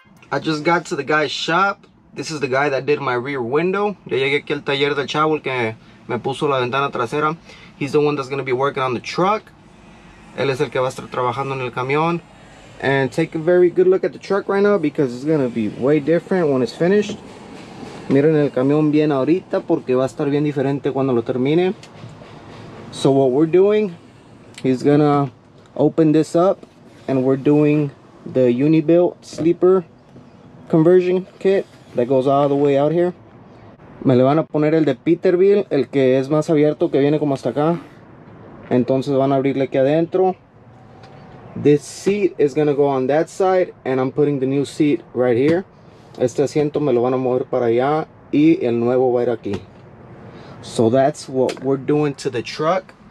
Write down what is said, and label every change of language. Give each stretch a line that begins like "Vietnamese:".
English: I just got to the guy's shop. This is the guy that did my rear window.
Spanish: Ya llegué aquí al taller del chavo que me puso la ventana trasera.
English: He's the one that's gonna be working on the truck.
Spanish: Él es el que va a estar trabajando en el camión.
English: And take a very good look at the truck right now because it's gonna be way different when it's finished.
Spanish: Miren el camión bien ahorita porque va a estar bien diferente cuando lo termine.
English: So what we're doing, he's gonna open this up and we're doing the unibilt sleeper conversion kit that goes all the way out here.
Spanish: Me le van a poner el de Peterbilt, el que es más abierto, que viene como hasta acá. Entonces van a abrirle aquí adentro.
English: This seat is gonna go on that side and I'm putting the new seat right here.
Spanish: Este asiento me lo van a mover para allá y el nuevo va a ir aquí.
English: So that's what we're doing to the truck.